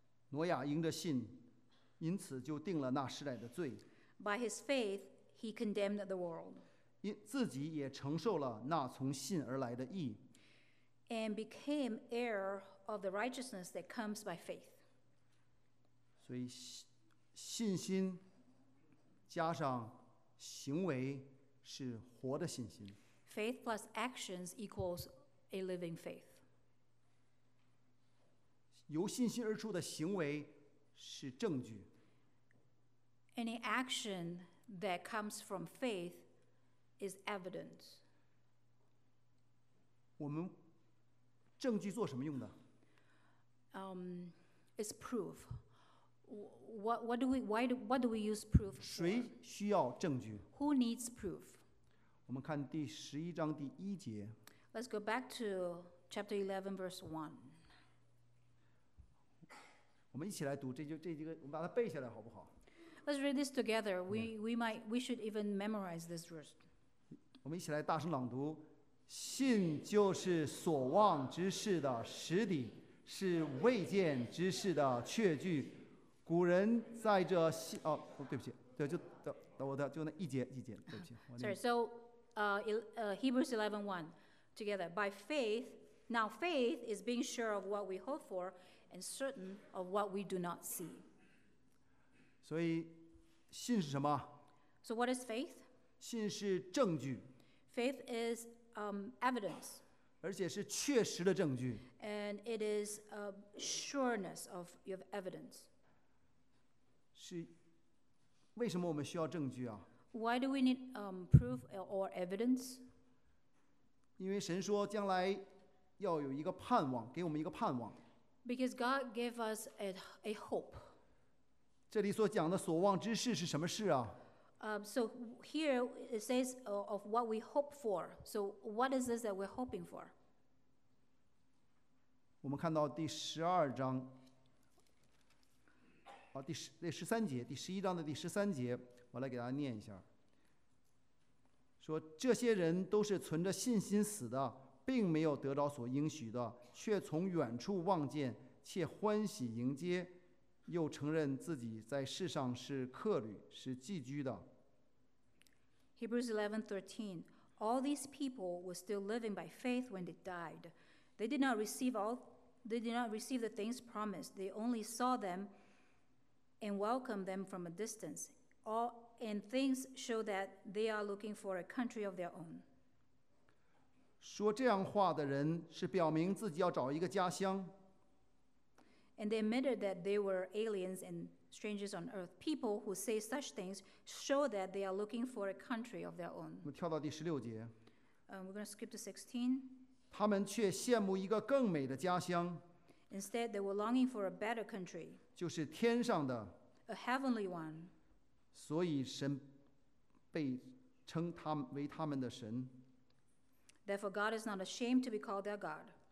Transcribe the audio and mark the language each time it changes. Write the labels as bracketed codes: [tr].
[zh] 挪亚因着信，因此就定了那世代的罪。 [en] By his faith, he condemned the world. [zh] 自己也承受了那从信而来的义。 [en] And became heir of the righteousness that comes by faith. [zh] 所以信心加上行为是活的信心。 [en] Faith plus actions equals a living faith. [zh] 由信心而出的行为是证据。 [en] Any action that comes from faith is evidence. [zh] 我们证据做什么用的？ [en] It's proof. Why do we use proof? [zh] 谁需要证据？ [en] Who needs proof? [zh] 我们看第十一章第一节。 [en] Let's go back to chapter 11, verse 1. [zh] 我们一起来读这几个，我们把它背下来好不好？ [en] Let's read this together. We should even memorize this verse. [zh] 我们一起来大声朗读。信就是所望之事的实底，是未见之事的确据。古人在这信哦，对不起，对，就等我的就那一节，对不起。 [en] Sorry. So, Hebrews 11:1 together. By faith, now faith is being sure of what we hope for and certain of what we do not see. [zh] 所以信是什么？ [en] So what is faith? [zh] 信是证据。 [en] Faith is evidence. [zh] 而且是确实的证据。 [en] And it is a sureness of your evidence. [zh] 是为什么我们需要证据啊？ [en] Why do we need proof or evidence? [zh] 因为神说将来要有一个盼望，给我们一个盼望。 [en] Because God gave us a hope. [zh] 这里所讲的所望之事是什么事啊？ [en] So here it says of what we hope for. So what is this that we're hoping for? [zh] 我们看到第十二章，第十三节，第十一章的第十三节，我来给大家念一下。说这些人都是存着信心死的，并没有得着所应许的，却从远处望见，且欢喜迎接。又承认自己在世上是客旅，是寄居的。 [en] Hebrews 11:13. All these people were still living by faith when they died. They did not receive the things promised. They only saw them and welcomed them from a distance. All and things show that they are looking for a country of their own. [zh] 说这样话的人是表明自己要找一个家乡。 [en] And they admitted that they were aliens and strangers on earth. People who say such things show that they are looking for a country of their own. [zh] 我们跳到第十六节。 [en] We're going to skip to 16. [zh] 他们却羡慕一个更美的家乡。 [en] Instead, they were longing for a better country. [zh] 就是天上的。 [en] A heavenly one. [zh] 所以神被称他们为他们的神。 [en] Therefore, God is not ashamed to be called their God.